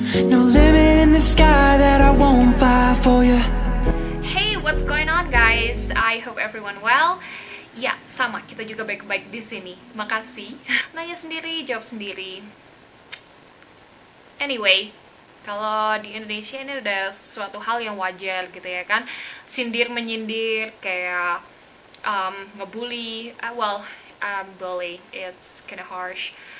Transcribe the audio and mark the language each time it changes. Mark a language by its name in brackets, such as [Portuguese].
[English] No limit in the sky that I won't fly for you. Hey, what's going on guys? I hope everyone well. [Indonesian] Ya, sama, kita juga baik-baik di sini. Makasih. Nanya sendiri, jawab sendiri. Anyway, kalau di Indonesia ini udah suatu hal yang wajar gitu ya kan. Sindir-menyindir, kayak ngebully, bully, [English] it's kind of harsh.